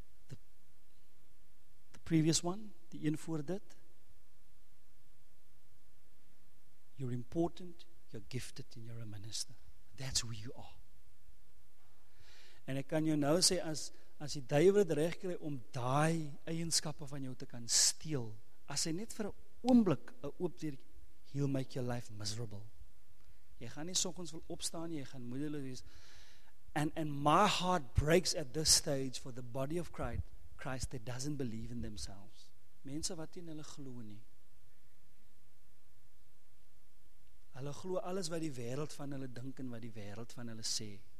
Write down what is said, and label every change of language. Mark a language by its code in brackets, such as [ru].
[en] The previous one, [af] die een voor dit. [en] You're important, you're gifted, and you're a minister. That's who you are. [af] En ek kan jou nou sê, as die duiwel het reg kry om daai eienskappe van jou te kan steel, as hy net vir 'n oomblik 'n oop deur, [en] he'll make your life miserable. [af] Jy gaan nie soggens wil opstaan, jy gaan moedeloos wees. [en] And my heart breaks at this stage for the body of Christ that doesn't believe in themselves. [af] Mense wat nie in hulle glo nie. Hulle glo alles wat die wêreld van hulle dink en wat die wêreld van hulle sê.